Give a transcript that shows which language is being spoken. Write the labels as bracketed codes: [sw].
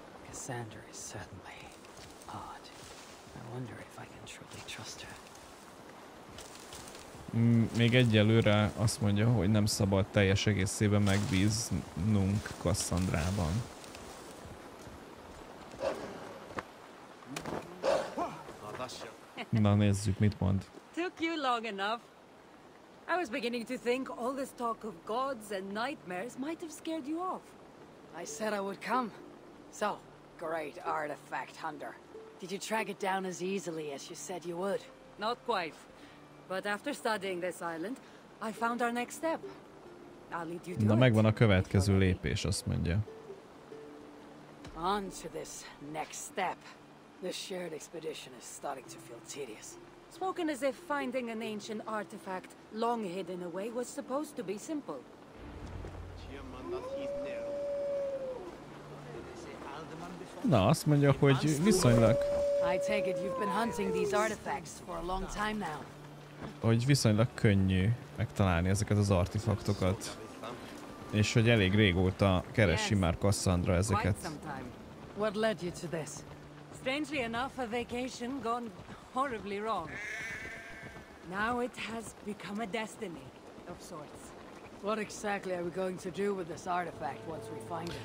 [en] Cassandra is certainly odd. I wonder if I can truly trust her. [hu] Még egyelőre azt mondja, hogy nem szabad teljes egészében megbíznunk Cassandrában. Na nézzük, mit mond. [en] Took you long enough. I was beginning to think all this talk of gods and nightmares might have scared you off. I said I would come. So, great artifact hunter. Did you track it down as easily as you said you would? Not quite. But after studying this island, I found our next step. I'll lead you to it. [hu] Na megvan a következő lépés, azt mondja. [en] On to this next step. This shared expedition is starting to feel tedious. Spoken as if finding an ancient artifact long hidden away was supposed to be simple. [hu] Na, azt mondja, hogy viszonylag. [en] I take it you've been hunting these artifacts for a long time now. [hu] Hogy viszonylag könnyű megtalálni ezeket az artefaktokat. És hogy elég régóta keresi már Cassandra ezeket. [en] What led you to this? Strangely enough, a vacation gone horribly wrong. Now it has become a destiny of sorts. What exactly are we going to do with this artifact once we find it?